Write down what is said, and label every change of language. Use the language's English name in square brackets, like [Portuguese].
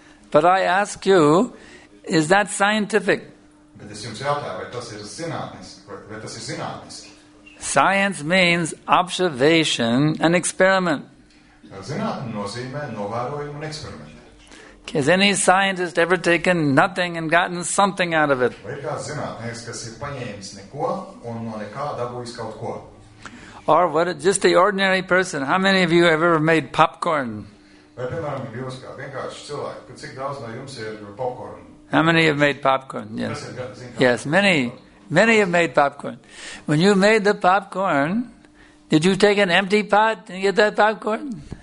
[English] But I ask you, is that scientific? [Latvian] Bet es jums jautāju, vai tas ir zinātniski? Vai tas ir zinātniski? [English] Science means observation and experiment. [Latvian] Zinātne nozīmē novērojumu un eksperimentu. [English] Has any scientist ever taken nothing and gotten something out of it? [Latvian] Vai ir kāds zinātnieks, kas ir paņēmis neko un no nekā dabūjis kaut ko? [English] Or what, just the ordinary person, how many of you have ever made popcorn? [Latvian] Vai, piemēram, jūs kā vienkārši cilvēki, cik daudz no jums ir popcorn? [English] How many have made popcorn? Yes. Yes, many. Many have made popcorn. When you made the popcorn, Did you take an empty pot and get that popcorn?